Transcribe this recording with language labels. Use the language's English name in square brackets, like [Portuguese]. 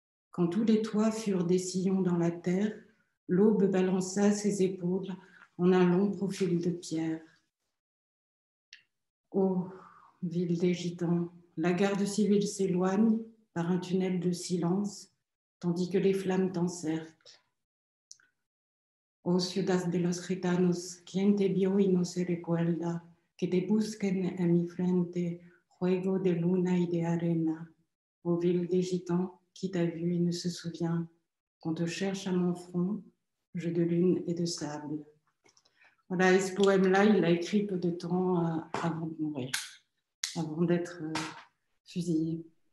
[French] Quand tous les toits furent des sillons dans la terre, l'aube balança ses épaules en un long profil de pierre. Oh, ville des gitans, la garde civile s'éloigne par un tunnel de silence, tandis que les flammes t'encerclent. [Spanish] Oh, ciudad de los gitanos, quien te vio y no se recuerda, que te busquen a mi frente, juego de luna y de arena. [French] Ô ville des gitans, qui t'a vu et ne se souvient, qu'on te cherche à mon front, jeu de lune et de sable. Voilà, et ce poème-là, il l'a écrit peu de temps avant de mourir, avant d'être fusillé.